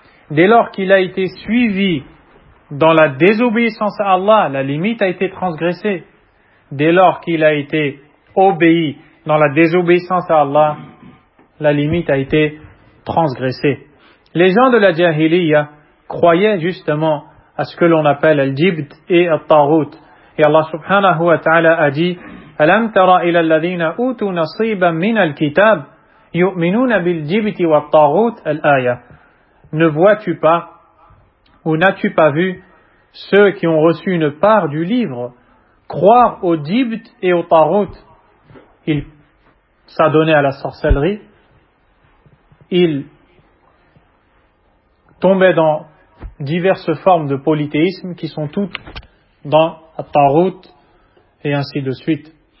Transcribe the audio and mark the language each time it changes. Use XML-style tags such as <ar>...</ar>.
<fr>Dès lors qu'il a été suivi dans la désobéissance à Allah, la limite a été transgressée. Dès lors qu'il a été obéi dans la désobéissance à Allah, la limite a été transgressée. Les gens de la jahiliya croyaient justement à ce que l'on appelle al-jibd et al-tarout. Et Allah subhanahu wa ta'ala a dit,</fr> <ar>أَلَمْ تَرَ إِلَى الَّذِينَ أُوتُوا نَصِيبًا مِنَ الْكِتَابِ يُؤْمِنُونَ بِالْجِبْتِ وَالْطَارُوتِ الْآيَةِ.</ar> <fr>Ne vois-tu pas, ou n'as-tu pas vu, ceux qui ont reçu une part du livre, croire au jibd et au tarout? Ils s'adonnaient à la sorcellerie, ils tombaient dans diverses formes de polythéisme qui sont toutes dans At-Tarout et ainsi de suite.</fr>